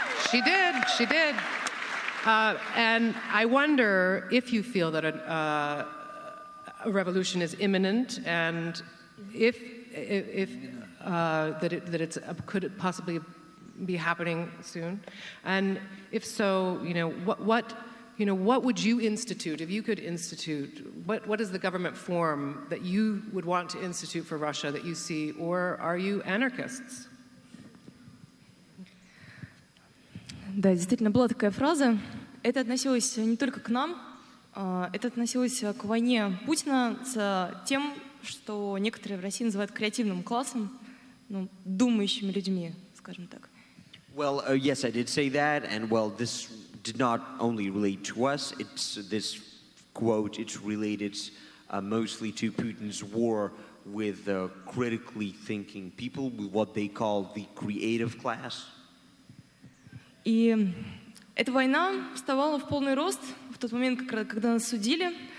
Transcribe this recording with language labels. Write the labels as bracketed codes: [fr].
[en] She did. She did. And I wonder if you feel that a revolution is imminent, and if it could possibly be happening soon. And if so, you know what. You know, what would you institute, if you could institute, what is the government form that you would want to institute for Russia that you see, or are you anarchists? [ru] Да, действительно, была такая фраза. Это относилось не только к нам, это относилось к войне Путина с тем, что некоторые в России называют креативным классом, ну, думающими людьми, скажем так. [en] Well, yes, I did say that, and well, this did not only relate to us, it's this quote, it's related mostly to Putin's war with critically thinking people, with what they call the creative class. [ru] И эта война вставала в полный рост в тот момент, когда нас судили.